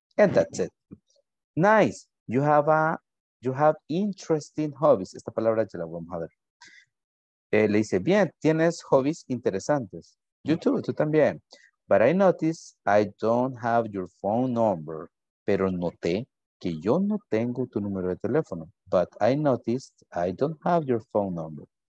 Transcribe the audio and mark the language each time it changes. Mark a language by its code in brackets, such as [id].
[en] And that's it. Nice. You have interesting hobbies. [es] Esta palabra ya la vamos a ver. Le dice, bien, tienes hobbies interesantes. You too, tú también. [en] But I notice I don't have your phone number. [es] Pero noté que yo no tengo tu número de teléfono. [en] But I noticed I don't have your phone number.